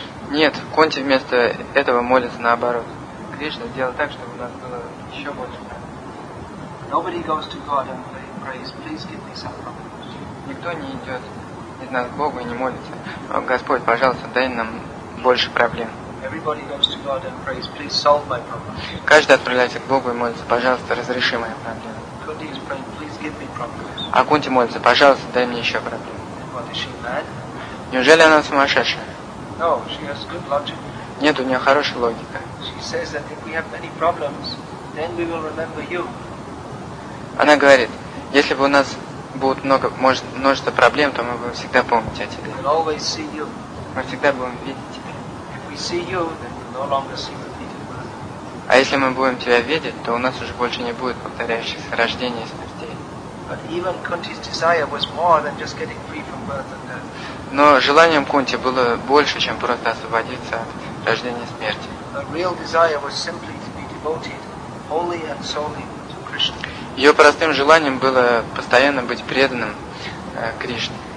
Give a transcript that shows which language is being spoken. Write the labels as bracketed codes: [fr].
[ru] Нет, Кунти вместо этого молится наоборот: Кришна, сделай так, чтобы у нас было еще больше. [en] Nobody goes to God and prays, please give me some problems. [ru] Никто не идет из нас к Богу и не молится: Господь, пожалуйста, дай нам больше проблем. [en] Everybody goes to God and prays, please solve my problem. [ru] Каждый отправляется к Богу и молится: пожалуйста, разреши мои проблемы. [en] Kunti is praying, please give me problems. [ru] А Кунти молится: пожалуйста, дай мне еще проблемы. [en] What, is she mad? [ru] Неужели она сумасшедшая? [en] No, she has good logic. [ru] Нет, у нее хорошая логика. [en] She says that if we have many problems, then we will remember you. [ru] Она говорит: если бы у нас будет множество проблем, то мы будем всегда помнить о тебе. [en] We'll always see you. [ru] Мы всегда будем видеть тебя. [en] If we see you, then we'll no longer see repeated birth. [ru] А если мы будем тебя видеть, то у нас уже больше не будет повторяющихся рождений и смертей. [en] But even Kunti's desire was more than just getting free from birth and death. [ru] Но желанием Кунти было больше, чем просто освободиться от рождения и смерти. [en] The real desire was simply to be devoted wholly and solely to Krishna. [ru] Ее простым желанием было постоянно быть преданным Кришне.